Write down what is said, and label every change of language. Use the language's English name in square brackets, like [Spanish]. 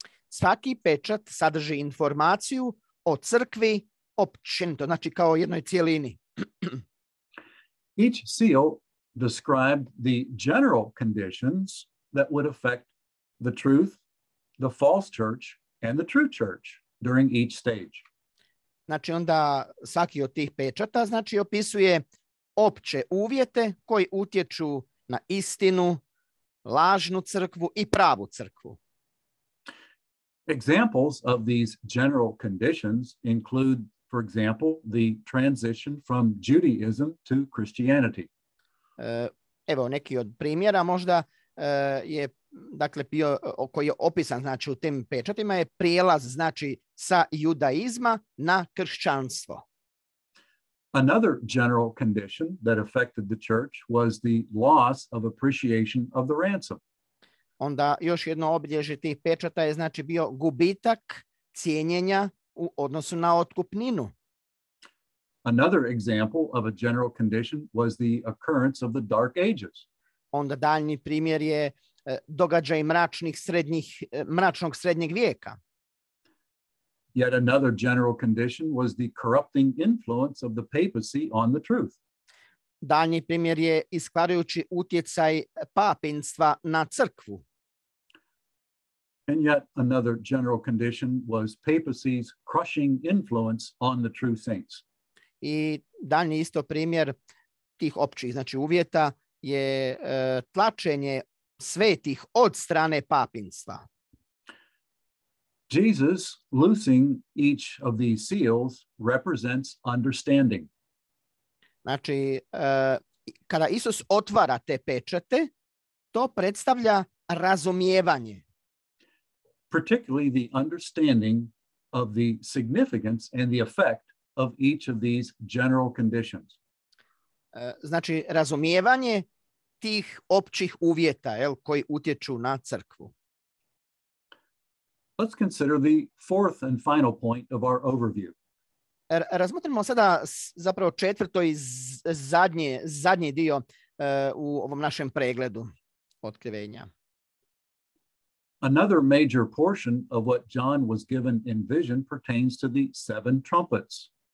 [Croatian] Svaki pečat sadrži informaciju o crkvi općenito, znači kao jednoj cjelini. [English] Each seal described the general conditions that would affect the truth, the false church, and the true church during each stage. [Croatian] Znači onda svaki od tih pečata znači opisuje opće uvjete koji utječu na istinu, lažnu crkvu i pravu crkvu. [English] Examples of these general conditions include, for example, the transition from Judaism to Christianity. [Croatian] Evo neki od primjera, možda je dakle bio koji je opisan znači u tim pečatima je prijelaz znači sa judaizma na kršćanstvo. [English] Another general condition that affected the church was the loss of appreciation of the ransom. [Croatian] Onda još jedno obilježje tih pečata je znači bio gubitak cijenjenja u odnosu na otkupninu. [English] Another example of a general condition was the occurrence of the dark ages. [Croatian] Onda daljnji primjer je događaj mračnog srednjeg vijeka. [English] Yet another general condition was the corrupting influence of the papacy on the truth. [Croatian] Daljnji primjer je iskvarujući utjecaj papinstva na crkvu. [English] And yet another general condition was papacy's crushing influence on the true saints. [Croatian] I daljnji isto primjer tih općih znači uvjeta je tlačenje svetih od strane papinstva. [English] Jesus loosing each of these seals represents understanding. [Croatian] Znači, kada Isus otvara te pečate, to predstavlja razumijevanje. [English] Particularly the understanding of the significance and the effect of each of these general conditions. [Croatian] Znači, razumijevanje tih općih uvjeta, jel, koji utječu na crkvu. [English] Let's consider the fourth and final point of our overview. [Croatian] Razmotrimo sada zapravo četvrto i zadnji dio u ovom našem pregledu otkrivenja. [English] Another major portion of what John was given in vision pertains to the seven trumpets.